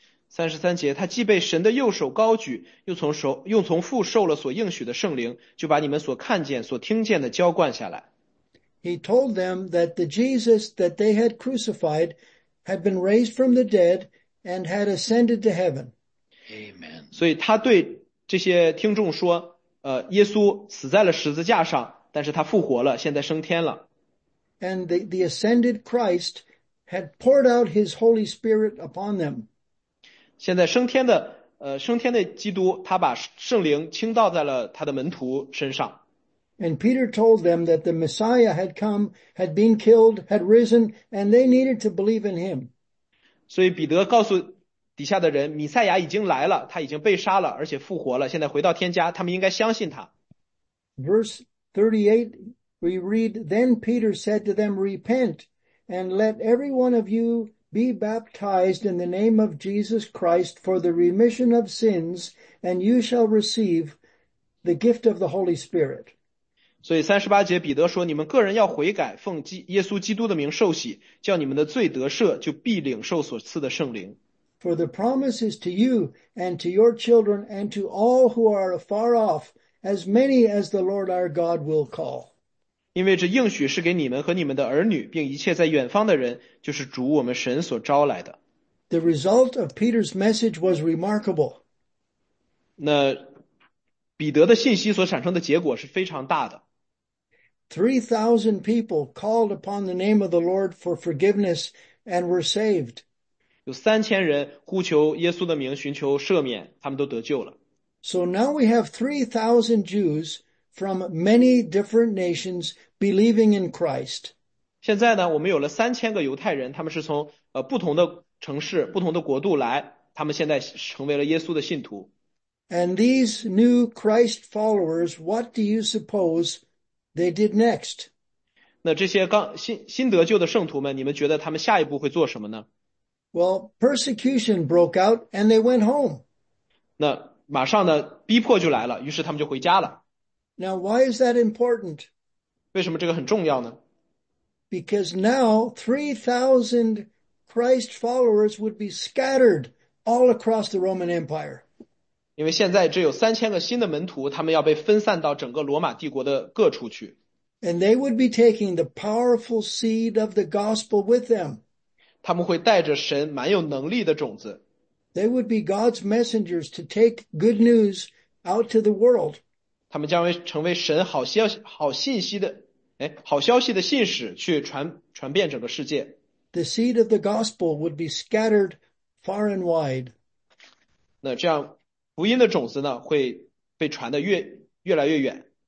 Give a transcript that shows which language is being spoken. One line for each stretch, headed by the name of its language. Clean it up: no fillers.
Chinese: 33节，他既被神的右手高举，又从父受了所应许的圣灵，就把你们所看见、所听见的浇灌下来。
English: He told them that the Jesus that they had crucified had been raised from the dead and had ascended to heaven. Amen.
Chinese: 所以他对这些听众说，耶稣死在了十字架上，但是他复活了，现在升天了。
English: And the ascended Christ had poured out his Holy Spirit upon them.
Chinese: 现在升天的基督，他把圣灵倾倒在了他的门徒身上。
English: And Peter told them that the Messiah had come, had been killed, had risen, and they needed to believe in him.
Chinese: 所以彼得告诉底下的人，弥赛亚已经来了，他已经被杀了，而且复活了，现在回到天家，他们应该相信他。
English: Verse 38, we read, Then Peter said to them, Repent. And let every one of you be baptized in the name of Jesus Christ for the remission of sins, and you shall receive the gift of the Holy Spirit.
Chinese: 所以38节彼得说，你们个人要悔改，奉耶稣基督的名受洗，叫你们的罪得赦，就必领受所赐的圣灵。
English: For the promise is to you and to your children and to all who are afar off, as many as the Lord our God will call.
Chinese: 因为这应许是给你们和你们的儿女，并一切在远方的人，就是主我们神所招来的。
English: The result of Peter's message was remarkable.
Chinese: 那彼得的信息所产生的结果是非常大的。
English: 3,000 people called upon the name of the Lord for forgiveness and were saved.
Chinese: 有3000人呼求耶稣的名，寻求赦免，他们都得救了。
English: So now we have 3,000 Jews from many different nations believing in Christ.
Chinese: 现在呢，我们有了3000个犹太人，他们是从不同的城市、不同的国度来，他们现在成为了耶稣的信徒。
English: And these new Christ followers, what do you suppose they did next?
Chinese: 那这些刚新得救的圣徒们，你们觉得他们下一步会做什么呢？
English: Well, persecution broke out and they went home.
Chinese: 那马上呢，逼迫就来了，于是他们就回家了。
English: Now, why is that important?
Chinese: 为什么这个很重要呢？
English: Because now 3,000 Christ followers would be scattered all across the Roman Empire.
Chinese: 因为现在只有3000个新的门徒，他们要被分散到整个罗马帝国的各处去。
English: And they would be taking the powerful seed of the gospel with them.
Chinese: 他们会带着神蛮有能力的种子。
English: They would be God's messengers to take good news out to the world.
Chinese: 他们将会成为神好消息的信使，去传遍整个世界。
English: The seed of the gospel would be scattered far and wide.
Chinese: 那这样福音的种子呢，会被传得越来越远。